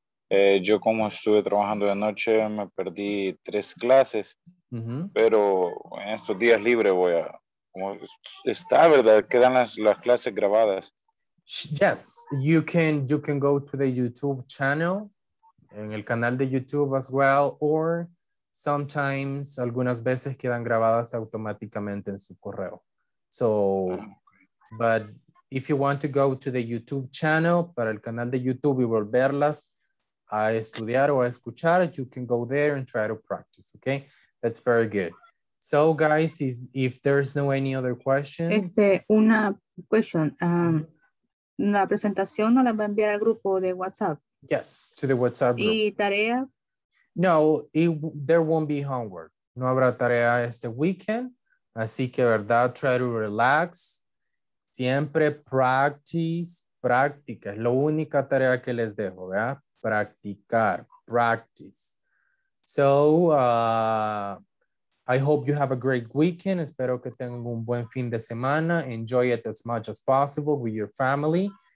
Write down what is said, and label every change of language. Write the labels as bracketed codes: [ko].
[es] Yo como estuve trabajando de noche, me perdí tres clases, pero en estos días libres voy a, como está, ¿verdad? Quedan las clases grabadas. [en] Yes, you can go to the YouTube channel. [es] En el canal de YouTube as well, or sometimes, algunas veces quedan grabadas automáticamente en su correo. [en] So, but if you want to go to the YouTube channel, para el canal de YouTube y volverlas a estudiar o a escuchar, you can go there and try to practice, okay? That's very good. So, guys, if there's no any other questions. [es] Una question. La presentación no la va a enviar al grupo de WhatsApp. [en] Yes, to the WhatsApp group. [es] ¿Y tarea? [en] No, there won't be homework. No habrá tarea este weekend. [es] Así que, verdad, try to relax. Siempre practice, práctica. Es la única tarea que les dejo, ¿verdad? Practicar, practice. [en] So, I hope you have a great weekend. [es] Espero que tengan un buen fin de semana. [en] Enjoy it as much as possible with your family.